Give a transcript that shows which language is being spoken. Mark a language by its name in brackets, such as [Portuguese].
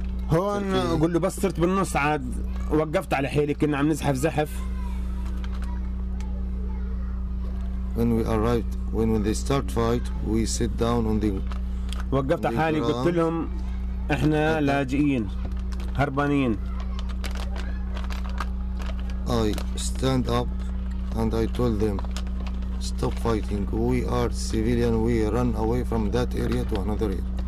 [Arabic] هون أقول له بس صرت بالنص عاد وقفت على حيلي كنا عم نزحف زحف. [English] When we arrived, when they start fight, we sit down on the. [Arabic] وقفت على حالي قلت لهم إحنا لاجئين هربانين. [English] I stand up and I told them, stop fighting. We are civilian. We run away from that area to another area.